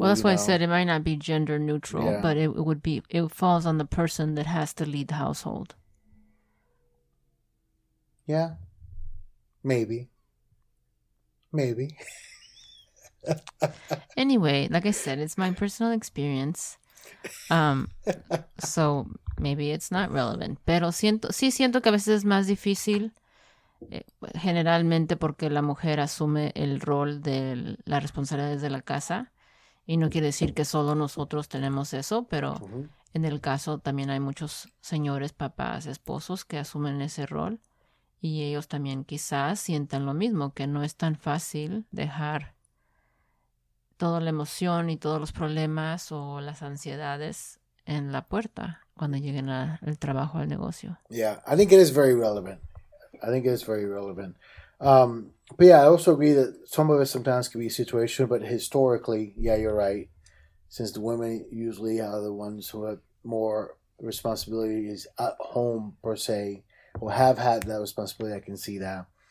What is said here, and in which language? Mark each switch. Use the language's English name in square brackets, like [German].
[English] Well, that's why I said it might not be gender neutral, yeah. But it would be, it falls on the person that has to lead the household. Yeah, maybe. Maybe. Anyway, like I said, it's my personal experience. So maybe it's not relevant. [Spanish] Pero siento que a veces es más difícil, generalmente porque la mujer asume el rol de la responsabilidad de la casa. Y no quiere decir que solo nosotros tenemos eso, pero en el caso también hay muchos señores, papás, esposos que asumen ese rol. Y ellos también quizás sientan lo mismo, que no es tan fácil dejar toda la emoción y todos los problemas o las ansiedades en la puerta cuando lleguen al trabajo, al negocio. [English] Yeah, I think it is very relevant. I think it is very relevant. But yeah, I also agree that some of it sometimes can be a situation, but historically, yeah, you're right. Since the women usually are the ones who have more responsibilities at home, per se, or have had that responsibility, I can see that.